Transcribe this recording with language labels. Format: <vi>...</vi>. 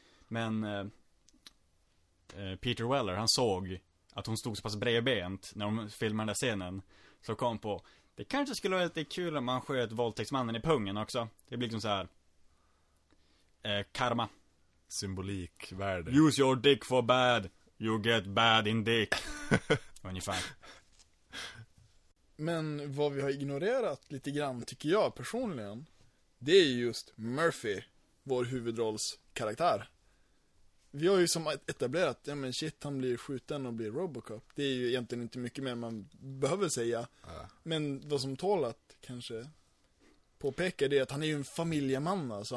<sv>Men Peter Weller, han såg att hon stod så pass bredbent när de filmade den scenen. Så kom på, det kanske skulle vara lite kul om man sköt våldtäktsmannen i pungen också. Det blir liksom så här karma. Symbolik, värde.</sv> <en>Use your dick for bad, you get bad in dick.</en> <sv>Ungefär. Men vad vi har ignorerat lite grann, tycker jag personligen, det är just Murphy, vår huvudrollskaraktär. Vi har ju som etablerat, ja men shit, han blir skjuten och blir Robocop. Det är ju egentligen inte mycket mer man behöver säga. Men vad som tål att kanske påpeka det är att han är ju en familjeman. Alltså.</sv>